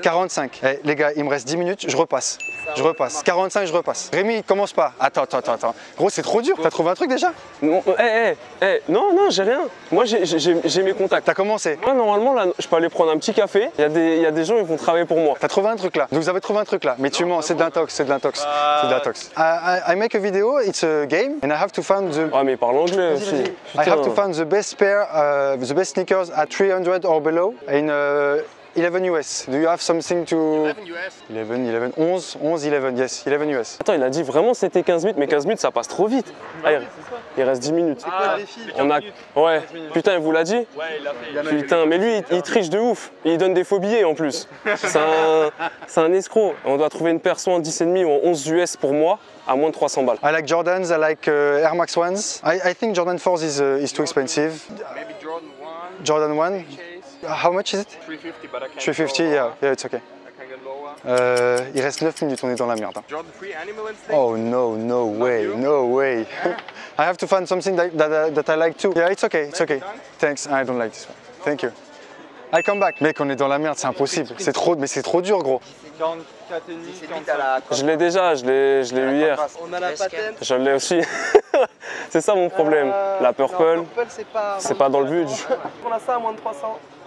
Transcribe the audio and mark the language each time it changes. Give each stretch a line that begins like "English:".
French: 45. Hey, les gars, il me reste 10 minutes, je repasse. Je repasse. 45, je repasse. Rémi, commence pas. Attends. Gros, c'est trop dur. T'as trouvé un truc déjà? Non, j'ai rien. Moi, j'ai mes contacts. T'as commencé? Moi, normalement, là, je peux aller prendre un petit café. Il y a des gens, ils vont travailler pour moi. T'as trouvé un truc là? Donc, vous avez trouvé un truc là? Mais non, tu mens, c'est de l'intox.
English: I make a video, it's a game, and I have to find the.
French: Ah, mais parle anglais aussi.
English: I have to find the best sneakers at 300 or below in 11 US. Do you have something to... 11 US.
French: Attends, il a dit vraiment c'était 15 minutes, mais 15 minutes ça passe trop vite. Ah, il reste 10 minutes. C'est quoi le défi? On a... Ouais, putain, il vous l'a dit? Ouais, il l'a fait. Putain, mais lui il triche de ouf. Il donne des faux billets en plus. C'est un escroc. On doit trouver une paire soit en 10,5 ou en 11 US pour moi. À moins de 300 balles.
English: I like Jordans, I like Air Max 1s. I think Jordan 4s is too expensive. Maybe Jordan 1. Jordan 1. How much is it? 350, but I can't. 350, go yeah, it's okay. I can't go
French: Il reste 9 minutes, on est dans la merde.
English: Jordan Free, Animal Instinct. Oh no, no way, no way. I have to find something that I like too. Yeah, it's okay, it's okay. Thanks, I don't like this one. Thank you. I come back.
French: Mec, on est dans la merde, c'est impossible. C'est trop, mais c'est trop dur, gros. Je l'ai déjà, je l'ai eu hier. On a la patente. Je l'ai aussi. C'est ça mon problème. La purple, non, purple c'est pas dans le but. On a ça à moins de 300.